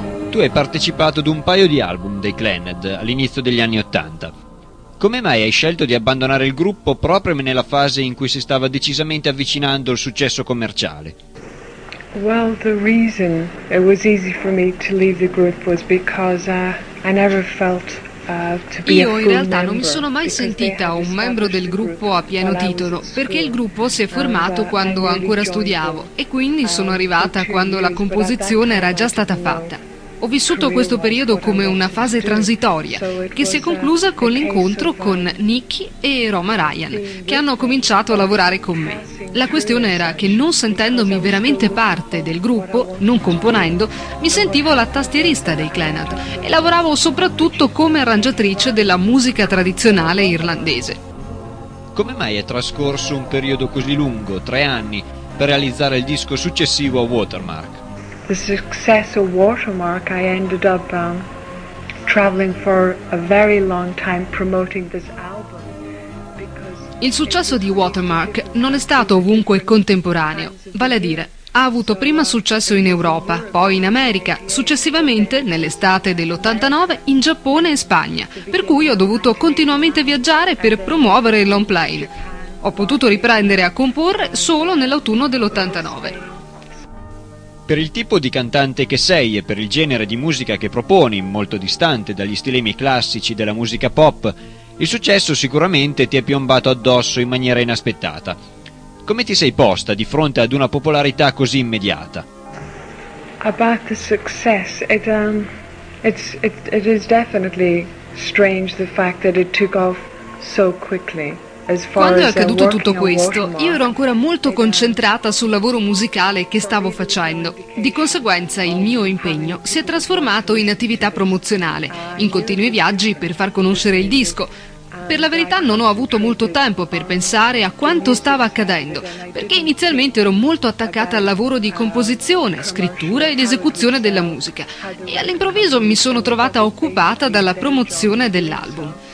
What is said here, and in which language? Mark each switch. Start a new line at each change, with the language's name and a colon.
Italian: Tu hai partecipato ad un paio di album dei Clannad all'inizio degli anni Ottanta. Come mai hai scelto di abbandonare il gruppo proprio nella fase in cui si stava decisamente avvicinando il successo commerciale?
English: Well, the reason it was easy for me to leave the group was because I never felt
Italian: Io in realtà non mi sono mai sentita un membro del gruppo a pieno titolo, perché il gruppo si è formato quando ancora studiavo e quindi sono arrivata quando la composizione era già stata fatta. Ho vissuto questo periodo come una fase transitoria, che si è conclusa con l'incontro con Nicky e Roma Ryan, che hanno cominciato a lavorare con me. La questione era che, non sentendomi veramente parte del gruppo, non componendo, mi sentivo la tastierista dei Clannad e lavoravo soprattutto come arrangiatrice della musica tradizionale irlandese. Come mai è trascorso un periodo così lungo, 3 anni, per realizzare il disco successivo a Watermark?
English: The success of Watermark, I ended up traveling for a very long time promoting this album.
Italian: Il successo di Watermark non è stato ovunque contemporaneo, vale a dire, ha avuto prima successo in Europa, poi in America, successivamente, nell'estate dell'89, in Giappone e Spagna, per cui ho dovuto continuamente viaggiare per promuovere il long play. Ho potuto riprendere a comporre solo nell'autunno dell'89. Per il tipo di cantante che sei e per il genere di musica che proponi, molto distante dagli stilemi classici della musica pop, il successo sicuramente ti è piombato addosso in maniera inaspettata. Come ti sei posta di fronte ad una popolarità così immediata?
English: About the success, it is definitely strange the fact that it took off so quickly.
Italian: Quando è accaduto tutto questo, io ero ancora molto concentrata sul lavoro musicale che stavo facendo. Di conseguenza, il mio impegno si è trasformato in attività promozionale, in continui viaggi per far conoscere il disco. Per la verità non ho avuto molto tempo per pensare a quanto stava accadendo, perché inizialmente ero molto attaccata al lavoro di composizione, scrittura ed esecuzione della musica, e all'improvviso mi sono trovata occupata dalla promozione dell'album.